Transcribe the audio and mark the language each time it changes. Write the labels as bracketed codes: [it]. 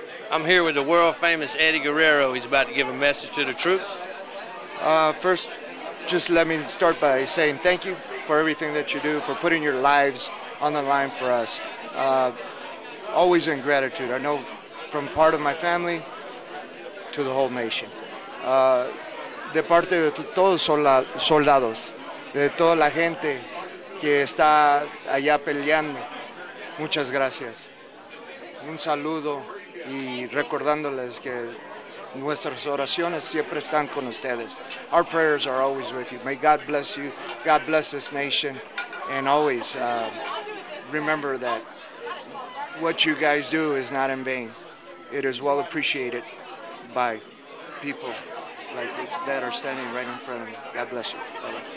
[en] I'm here with the world-famous Eddie Guerrero. He's about to give a message to the troops. First, just let me start by saying thank you for everything that you do, for putting your lives on the line for us. Always in gratitude. I know from part of my family to the whole nation. [es] De parte de todos los soldados, de toda la gente que está allá peleando, muchas gracias. Un saludo y recordándoles que nuestras oraciones siempre están con ustedes. [en] Our prayers are always with you. May God bless you. God bless this nation. And always remember that what you guys do is not in vain. It is well appreciated by people like that are standing right in front of me. God bless you. Bye-bye.